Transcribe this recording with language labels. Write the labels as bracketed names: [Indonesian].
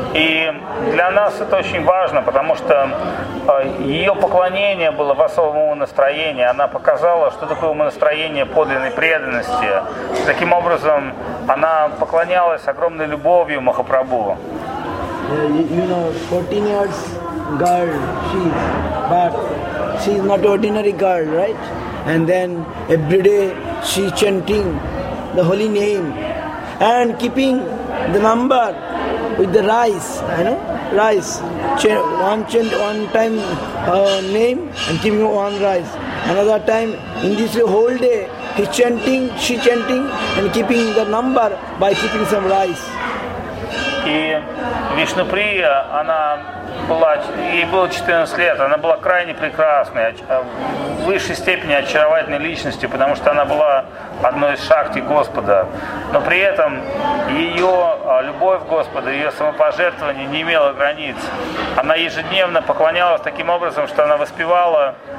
[Russian] И для нас это очень важно, потому что ее поклонение было в особом умонастроении. Она показала, что такое умонастроение подлинной преданности. Таким образом, она поклонялась огромной любовью Махапрабху. [English] You know, 14 years girl, she is, but she is not ordinary girl, right? And then every day she is chanting the holy name and keeping the number with the rice, you know, rice. Chant one time name and giving one rice. Another time, in this whole day, he chanting, she chanting and keeping the number by keeping some rice. [Russian] И Вишнуприя, она была, ей было 14 лет, она была крайне прекрасной, в высшей степени очаровательной личностью, потому что она была одной из шахти Господа. Но при этом ее любовь Господа, ее самопожертвование не имело границ. Она ежедневно поклонялась таким образом, что она воспевала